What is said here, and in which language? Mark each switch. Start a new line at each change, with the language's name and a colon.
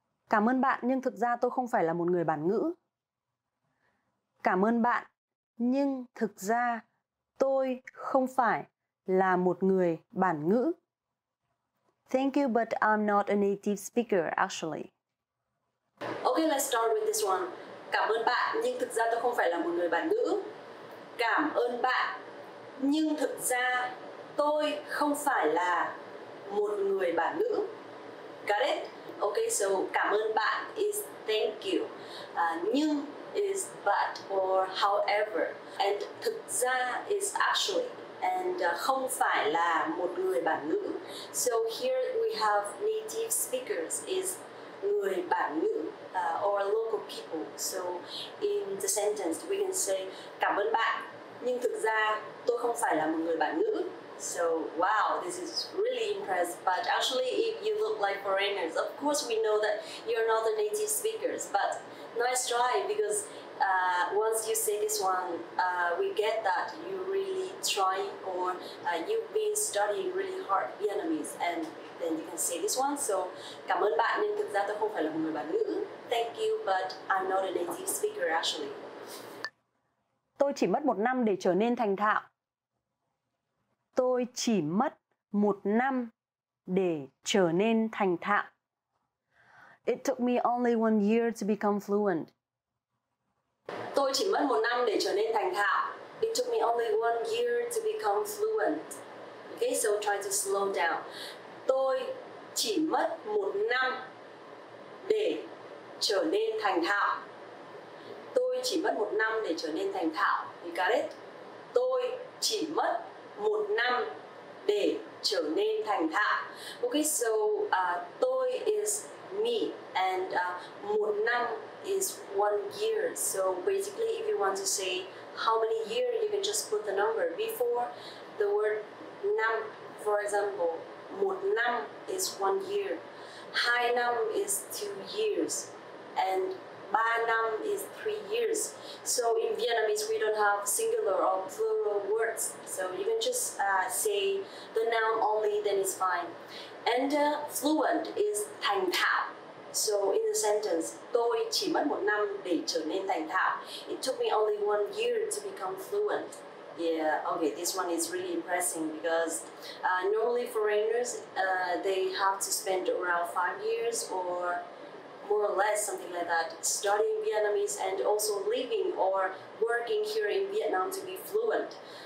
Vietnamese: Cảm ơn bạn, nhưng thực ra tôi không phải là một người bản ngữ. Cảm ơn bạn, nhưng thực ra tôi không phải là một người bản ngữ.
English: Thank you, but I'm not a native speaker, actually. Okay, let's start with this one.
Vietnamese: Cảm ơn bạn, nhưng thực ra tôi không phải là một người bản ngữ. Cảm ơn bạn, nhưng thực ra tôi không phải là một người bản ngữ.
English: Got it? Okay, so
Vietnamese: cảm ơn bạn
English: is thank you. Nhưng is but or however. And thực ra is actually. And
Vietnamese: không phải là một người bản ngữ.
English: So here we have native speakers is người bản ngữ or local people. So in the sentence we can say
Vietnamese: cảm ơn bạn nhưng thực ra tôi không phải là một người bản ngữ.
English: So wow, this is really impressive. But actually, if you look like foreigners, of course we know that you're not the native speakers. But nice try, because once you say this one, we get that you really try or you've been studying really hard Vietnamese, and then you can say this one.
Vietnamese: So, cảm ơn bạn nhưng thực ra tôi không phải là một người bản ngữ.
English: Thank you, but I'm not a native speaker actually.
Vietnamese: Tôi chỉ mất một năm để trở nên thành thạo. Tôi chỉ mất một năm để trở nên thành thạo.
English: It took me only 1 year to become fluent.
Vietnamese: Tôi chỉ mất một năm để trở nên thành thạo.
English: It took me only 1 year to become fluent. Okay, so try to slow down.
Vietnamese: Tôi chỉ mất một năm để trở nên thành thạo. Tôi chỉ mất một năm để trở nên thành thạo.
English: You got it?
Vietnamese: Tôi chỉ mất một năm để trở nên thành thạo.
English: Okay, so tôi is me, and một năm is 1 year. So basically, if you want to say how many years, you can just put the number before the word năm. For example, một năm is 1 year. Hai năm is 2 years. And 3 năm is 3 years. So in Vietnamese, we don't have singular or plural words. So you can just say the noun only, then it's fine. And fluent is
Vietnamese: thành thạo.
English: So in the sentence,
Vietnamese: tôi chỉ mất 1 năm để trở nên thành thạo.
English: It took me only 1 year to become fluent. Yeah, okay, this one is really impressive because normally foreigners, they have to spend around 5 years or more or less something like that, studying Vietnamese and also living or working here in Vietnam to be fluent.